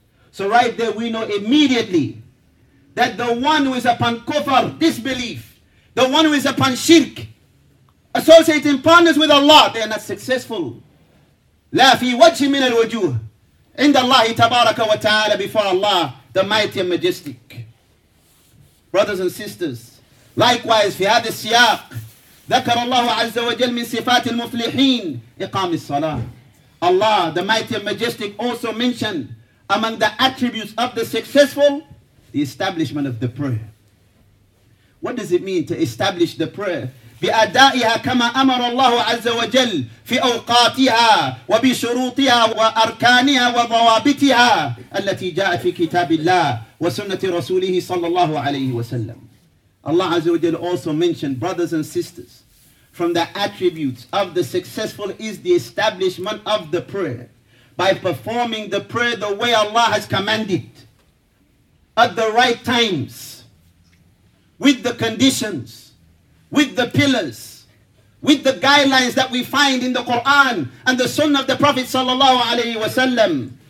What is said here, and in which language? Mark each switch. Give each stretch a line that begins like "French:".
English: So right there we know immediately that the one who is upon kufr, disbelief, the one who is upon shirk, associating partners with Allah, they are not successful.
Arabic: La fi wajhi min al-wujuh. عند الله تبارك وتعالى,
English: before Allah, the mighty and majestic. Brothers and sisters, Likewise,
Arabic: في هذا السياق ذكر الله عز وجل من صفات المفلحين إقام الصلاة.
English: Allah, the mighty and majestic, also mentioned among the attributes of the successful, the establishment of the prayer. What does it mean to establish the prayer?
Arabic: بأدائها كما أمر الله عز وجل في أوقاتها وبشروطها وأركانها وضوابطها التي جاء في كتاب الله وسنة رسوله صلى الله عليه وسلم.
English: Allah عز وجل also mentioned, brothers and sisters, from the attributes of the successful is the establishment of the prayer. By performing the prayer the way Allah has commanded, at the right times, with the conditions, with the pillars, with the guidelines that we find in the Quran and the Sunnah of the Prophet sallallahu alaihi wasallam.